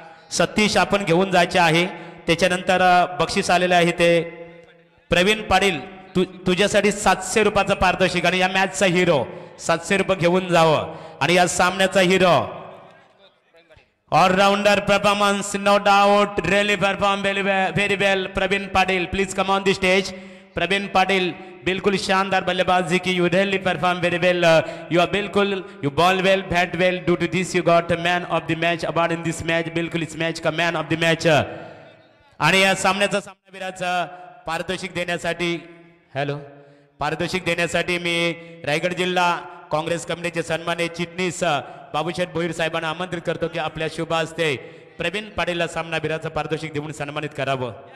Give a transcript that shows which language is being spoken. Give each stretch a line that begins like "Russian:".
Marathi: सतीश आपण घेऊन जायचे आहे, त्याच्यानंतर बक्षीस आलेले आहे ते प्रवीण पाटील, तुझ्यासाठी 700 रुपयाचा पारितोषिक, आणि या मॅचचा हिरो 700 रुपये घेऊन जावं, आणि या सामन्याचा hero allrounder performance
English: no doubt really perform very well
Marathi: Pravin Patil,
English: please come on the stage
Marathi: Pravin Patil.
Hindi: बिल्कुल शानदार बल्लेबाजी की,
English: you really perform very well, you are बिल्कुल, you ball well bat well, due to this you got man of the match award in this match,
Hindi: बिल्कुल इस match का
English: Man of the match.
Marathi: आणि या सामन्याचा सामनावीराचं पारितोषिक देण्यासाठी, हॅलो, पारितोषिक देण्यासाठी मी रायगड जिल्हा काँग्रेस कमिटीचे सन्माने चिटणीस बाबूशेठ भोईर साहेबांना आमंत्रित करतो की आपल्या शुभ हस्ते प्रवीण पाटीलला सामनावीराचं पारितोषिक देऊन सन्मानित करावं।